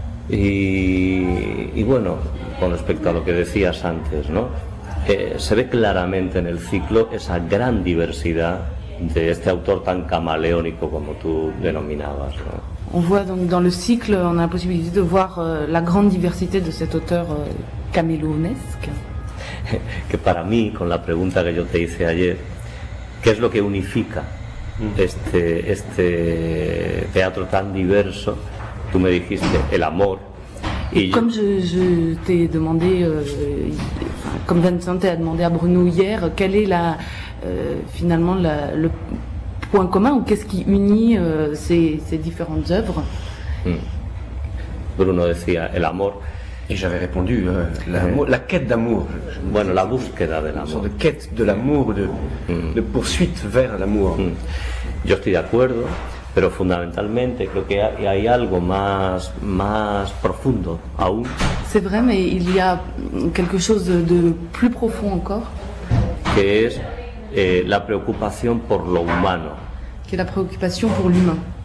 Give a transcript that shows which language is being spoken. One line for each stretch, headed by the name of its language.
Spanish: Y bueno, con respecto a lo que decías antes, ¿no? Se ve claramente en el ciclo esa gran diversidad de este autor tan camaleónico como tú denominabas, ¿no?
French: On voit donc dans le cycle, on a la possibilité de voir la grande diversité de cet auteur camaleonesque.
Spanish: Que para mí, con la pregunta que yo te hice ayer, ¿qué es lo que unifica este teatro tan diverso? Tú me dijiste el amor.
French: Comme je t'ai demandé, comme Vincent t'a demandé à Bruno hier, quelle est finalement le point commun ou qu'est-ce qui unit ces différentes œuvres?
Spanish: Bruno decía el amor.
French: Et j'avais répondu la quête d'amour.
Spanish: Bueno, la búsqueda del amor.
French: Une sorte de quête de l'amour, de poursuite vers l'amour.
Spanish: Yo estoy de acuerdo. Pero fundamentalmente creo que hay algo más profundo aún.
French: C'est vrai, mais il y a quelque chose de plus profond encore.
Spanish: Que es la preocupación por lo humano. Que la preocupación por
French: l'humain.